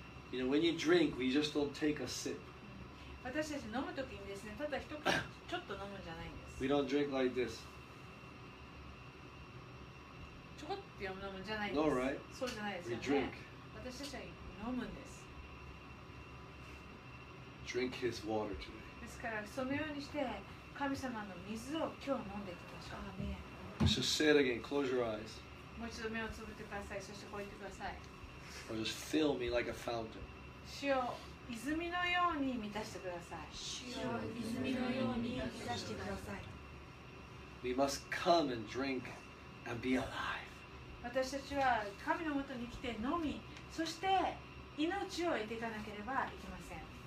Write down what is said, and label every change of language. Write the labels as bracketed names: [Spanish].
[English] You know, when you drink, we just don't take a sip. [Japanese] 私たち飲むときにですね、ただ一口ちょっと飲むんじゃないんです。 [English] We don't drink like this. [Japanese] ちょこっと飲むんじゃないんです。 [English] No, right? [Japanese] そうじゃないですよね。 [English] We drink. [Japanese] 私たちは飲むんです。 [English] drink his water today. [Japanese] ですからそのようにして神様の水を今日飲んでいきましょう。アーメン。 [English] So say it again. Close your eyes. [Japanese] もう一度目をつぶってください。そしてこう言ってください。 [English] Or just fill me like a fountain. [Japanese] 主よ、泉のように満たしてください。主よ、泉のように満たしてください。 [English] We must come and drink and be alive. [Japanese] 私たちは神のもとに来て飲み、そして命を得ていかなければいけません。